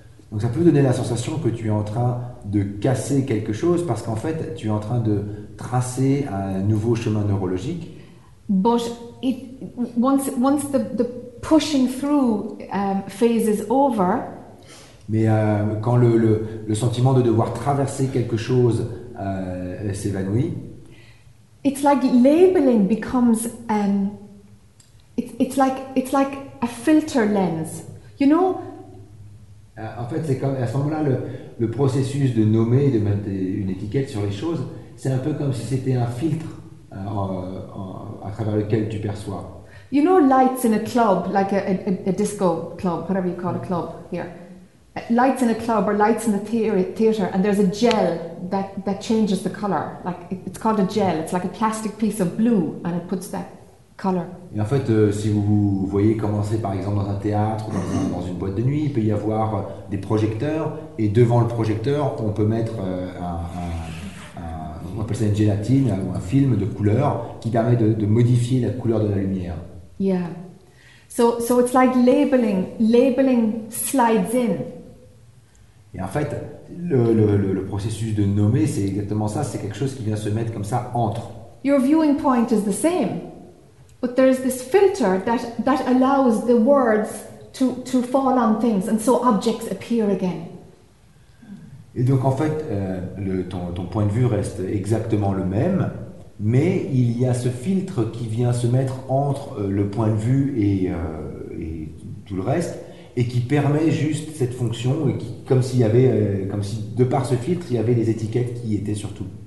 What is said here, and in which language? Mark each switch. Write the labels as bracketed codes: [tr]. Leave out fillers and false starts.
[fr] Donc ça peut donner la sensation que tu es en train de casser quelque chose parce qu'en fait tu es en train de tracer un nouveau chemin neurologique. [en] But once the pushing through phase is over. [fr] Mais quand le sentiment de devoir traverser quelque chose s'évanouit. [en] It's like labeling becomes it's like a filter lens, you know. [fr] En fait, c'est comme à ce moment-là, le processus de nommer, de mettre une étiquette sur les choses, c'est un peu comme si c'était un filtre à travers lequel tu perçois. [en] You know, lights in a club, like a disco club, whatever you call a club here. Lights in a club or lights in the theater, and there's a gel that changes the color. Like it's called a gel. It's like a plastic piece of blue, and it puts that. Color. [fr] Et en fait, si vous voyez commencer par exemple dans un théâtre ou dans une boîte de nuit, il peut y avoir des projecteurs et devant le projecteur, on peut mettre on appelle ça une gélatine ou un film de couleur qui permet de modifier la couleur de la lumière. [en] Yeah. So it's like labeling slides in. [fr] Et en fait, le processus de nommer, c'est exactement ça, c'est quelque chose qui vient se mettre comme ça entre. [en] Your viewing point is the same. But there is this filter that allows the words to fall on things, and so objects appear again. [fr] Et donc en fait, ton point de vue reste exactement le même, mais il y a ce filtre qui vient se mettre entre le point de vue et tout le reste, et qui permet juste cette fonction, et qui, comme s'il y avait, comme si de par ce filtre, il y avait des étiquettes qui étaient sur tout.